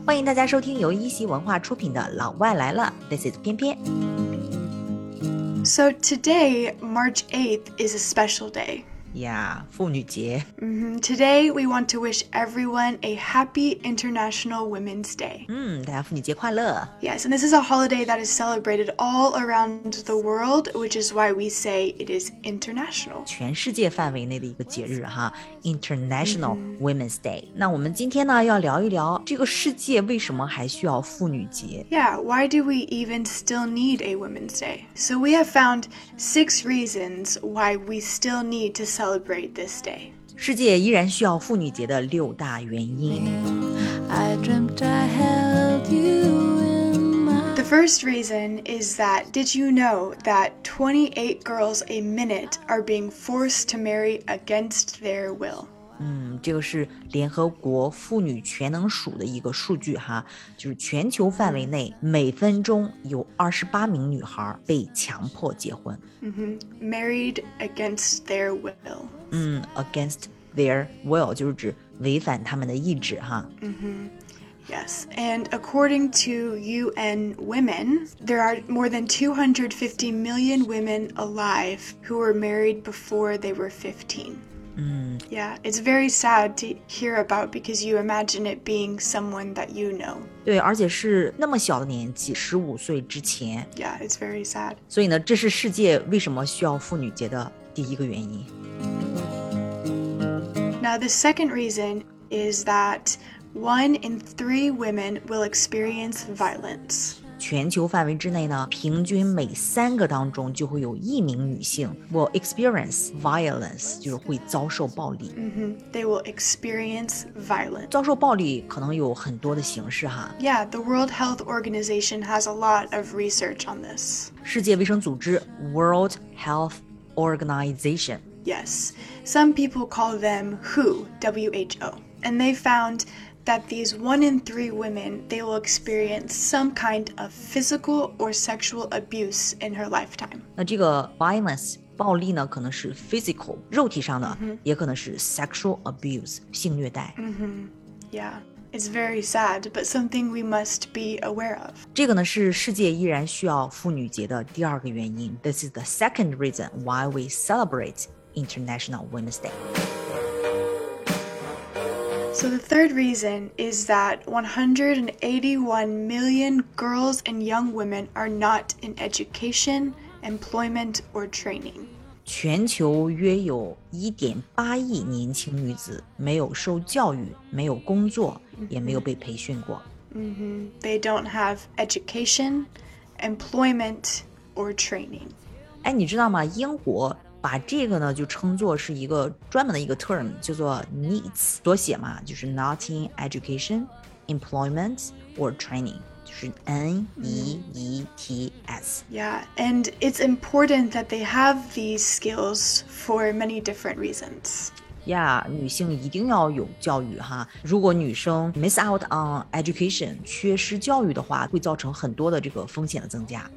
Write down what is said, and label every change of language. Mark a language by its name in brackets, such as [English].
[Chinese] 欢迎大家收听由一席文化出品的《老外来了》。 [English] This is 翩翩。 So today, March 8th, is a special day. [Chinese] Yeah, 妇女节。 Mm-hmm. [English] Today, we want to wish everyone a happy International Women's Day. [Chinese] 大家妇女节快乐。 [English] Yes, and this is a holiday that is celebrated all around the world, which is why we say it is international. [Chinese] 全世界范围内的一个节日哈 International、mm-hmm. [English] Women's Day. [Chinese] 那我们今天呢要聊一聊这个世界为什么还需要妇女节。 [English] Yeah, why do we even still need a Women's Day? So we have found 6 reasons why we still need to celebrate this day. [Chinese] 世界依然需要妇女节的六大原因。 [English] I dreamt I held you in my... The first reason is that, did you know that 28 girls a minute are being forced to marry against their will? [Chinese] 这个是联合国妇女全能署的一个数据哈，就是全球范围内每分钟有28名女孩被强迫结婚。 Mm-hmm. [English] Married against their will. Against their will [Chinese] 就是指违反他们的意志哈。 [English] Yes, and according to UN Women, there are more than 250 million women alive who were married before they were 15. Yeah, it's very sad to hear about because you imagine it being someone that you know. [Chinese] 对，而且是那么小的年纪，十五岁之前。 [English] Yeah, it's very sad. [Chinese] 所以呢，这是世界为什么需要妇女节的第一个原因。 [English] Now, the second reason is that 1 in 3 women will experience violence. [Chinese] 全球范围之内呢，平均每三个当中就会有一名女性 [English] will experience violence, [Chinese] 就是会遭受暴力。 [English] They will experience violence. [Chinese] 遭受暴力可能有很多的形式哈。 [English] Yeah, the World Health Organization has a lot of research on this. [Chinese] 世界卫生组织 World Health Organization. [English] Yes, some people call them WHO, WHO. And they found... that these 1 in 3 women, they will experience some kind of physical or sexual abuse in her lifetime. [Chinese] 那这个 violence, 暴力呢可能是 physical, 肉体上的、mm-hmm. 也可能是 [English] sexual abuse, [Chinese] 性虐待。 [English] Yeah, it's very sad, but something we must be aware of. [Chinese] 这个呢是世界依然需要妇女节的第二个原因。 [English] This is the second reason why we celebrate International Women's Day. So the third reason is that 181 million girls and young women are not in education, employment, or training. [Chinese] 全球约有 1.8 亿年轻女子没有受教育，没有工作，也没有被培训过。 [English] They don't have education, employment, or training. [Chinese] 哎，你知道吗？英国把这个呢就称作是一个专门的一个 term 叫做 NEETS 缩写嘛就是 [English] Not in Education, Employment or Training [Chinese] 就是 NEETS [English] Yeah, and it's important that they have these skills for many different reasons [Chinese] Yeah, 女性一定要有教育哈如果女生 [English] miss out on education [Chinese] 缺失教育的话会造成很多的这个风险的增加、